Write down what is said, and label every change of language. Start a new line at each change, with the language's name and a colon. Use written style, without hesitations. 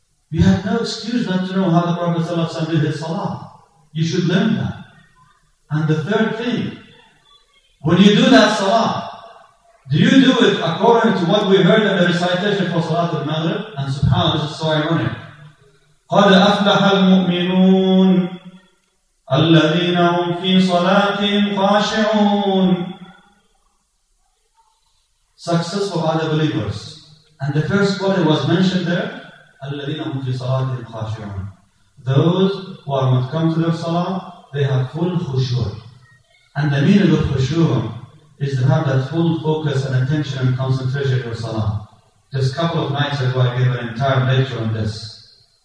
English: We have no excuse not to know how the Prophet sallallahu alayhi wa sallam did his salah. You should learn that. And the third thing, when you do that salah, do you do it according to what we heard in the recitation for Salat al-Maghrib? And subhanAllah, this is so ironic.
Arabic: قَدْ أَفْلَحَ الْمُؤْمِنُونَ الذين هم في صلاتهم خاشعون.
English: Successful are the believers. And the first quote was mentioned there,
Arabic: الذين هم في صلاتهم خاشعون.
English: Those who are not come to their salah, they have full khushur. And the meaning of khushur is to have that full focus and attention and concentration of your salah. Just a couple of nights ago, I gave an entire lecture on this.